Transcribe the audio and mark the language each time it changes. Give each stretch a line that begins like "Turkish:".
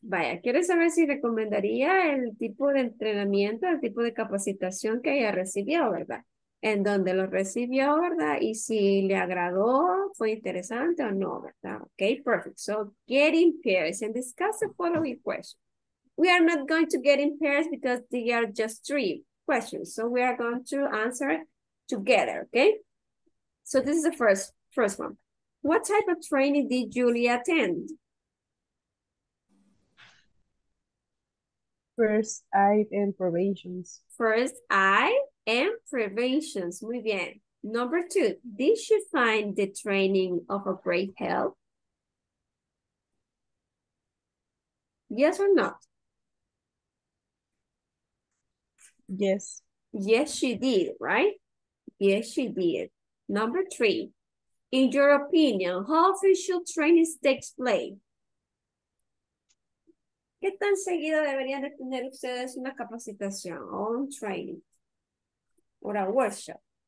Spanish: Vaya, ¿quieres saber si recomendaría el tipo de entrenamiento, el tipo de capacitación que ella recibió, verdad? En donde lo recibió, ¿verdad? Y si le agradó, fue interesante o no, ¿verdad?
English: Okay, perfect. So, get in pairs and discuss the following question. We are not going to get in pairs because they are just three questions. So, we are going to answer together, okay? So, this is the first one. What type of training did Julie attend? First aid and preventions. First aid and preventions.
Spanish: Muy bien.
English: Number two, did she find the training of a great help? Yes or not? Yes. Yes, she did, right? Yes, she did. Number three, in your opinion, how often should training take place?
Spanish: ¿Qué tan seguido deberían de tener ustedes una capacitación o un training o
English: a workshop?